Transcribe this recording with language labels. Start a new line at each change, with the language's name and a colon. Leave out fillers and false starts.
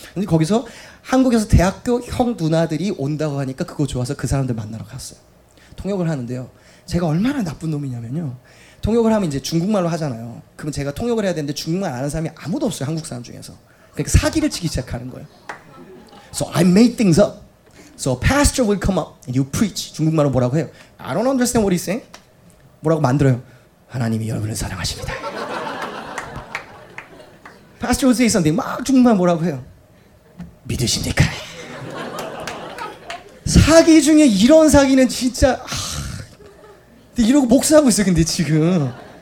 Korean: 근데 거기서 한국에서 대학교 형 누나들이 온다고 하니까 그거 좋아서 그 사람들 만나러 갔어요. 통역을 하는데요. 제가 얼마나 나쁜 놈이냐면요. 통역을 하면 이제 중국말로 하잖아요. 그러면 제가 통역을 해야 되는데 중국말 아는 사람이 아무도 없어요. 한국 사람 중에서. 그러니까 사기를 치기 시작하는 거예요.
English: So I made things up. So a pastor would come up and you preach.
Korean: 중국말로 뭐라고 해요?
English: I don't understand what he's saying.
Korean: 뭐라고 만들어요? 하나님이 여러분을 사랑하십니다.
English: Pastor would say something.
Korean: 막 중국말 뭐라고 해요? 믿으십니까? 사기 중에 이런 사기는 진짜... 근데 이러고 목사하고 있어요, 근데 지금.